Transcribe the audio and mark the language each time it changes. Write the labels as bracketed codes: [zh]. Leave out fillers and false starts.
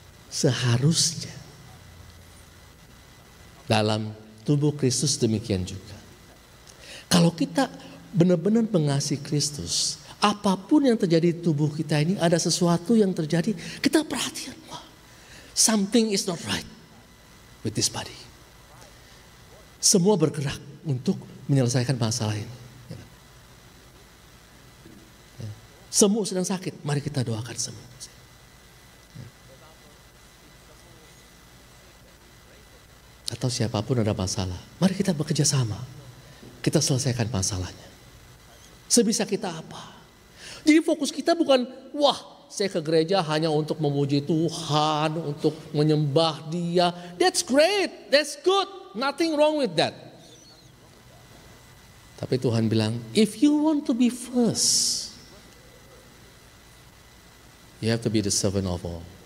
[id] Seharusnya dalam tubuh Kristus demikian juga. Kalau kita benar-benar mengasihi Kristus, apapun yang terjadi di tubuh kita ini, ada sesuatu yang terjadi, kita perhatian. Wah, [en] something is not right with this body. [id] Semua bergerak untuk menyelesaikan masalah ini. Semua sedang sakit, mari kita doakan semua. Atau siapapun ada masalah, mari kita bekerja sama. Kita selesaikan masalahnya. Sebisa kita apa. Jadi fokus kita bukan, wah saya ke gereja hanya untuk memuji Tuhan, untuk menyembah dia. [en] That's great, that's good. Nothing wrong with that. [id] Tapi Tuhan bilang, [en] if you want to be first, you have to be the servant of all.